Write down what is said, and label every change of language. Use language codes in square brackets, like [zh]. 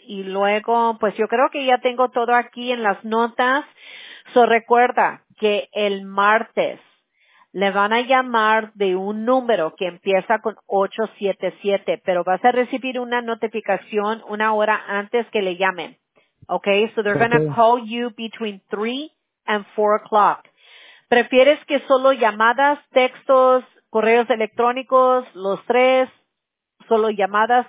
[es] Y luego, pues yo creo que ya tengo todo aquí en las notas. [en] So, [es] recuerda que el martes le van a llamar de un número que empieza con 877, pero vas a recibir una notificación una hora antes que le llamen. [en] Okay, so they're going to call you between 3 and 4 o'clock. [es] ¿Prefieres que solo llamadas, textos, correos electrónicos, los tres, solo llamadas?